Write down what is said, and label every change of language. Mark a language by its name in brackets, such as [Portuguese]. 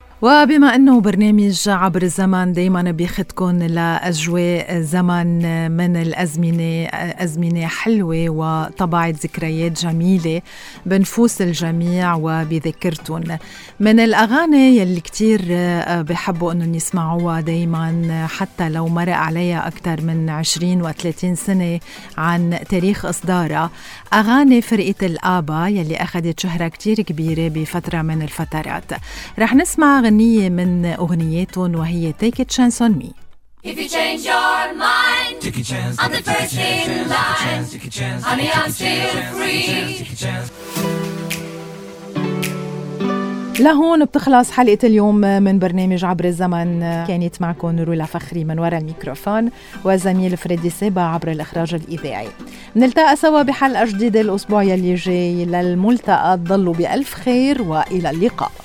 [Arabic] وبما أنه برنامج عبر الزمن دايماً بيخدكم لأجواء زمن من الأزمنة، أزمنة حلوة وطبعة ذكريات جميلة بنفوس الجميع وبذكرتهم، من الأغاني يلي كتير بحبوا أنه يسمعوها دايماً حتى لو مرق عليها أكثر من 20 و30 سنة عن تاريخ إصدارها، أغاني فرقة الآبا يلي أخذت شهرة كتير كبيرة بفترة من الفترات. رح نسمع غنية من أغنياتهم وهي Take a Chance on Me. [English] If you change your mind, take a chance, I'm the first in line, honey, I'm still free. [Arabic] لهون بتخلص حلقة اليوم من برنامج عبر الزمن. كانت معكم رولا فخري من وراء الميكروفون وزميل فريدي سيبا عبر الإخراج الإذاعي. منلتقى سوا بحلقة جديدة الأسبوع يلي جاي. للملتقى ضلوا بألف خير وإلى اللقاء.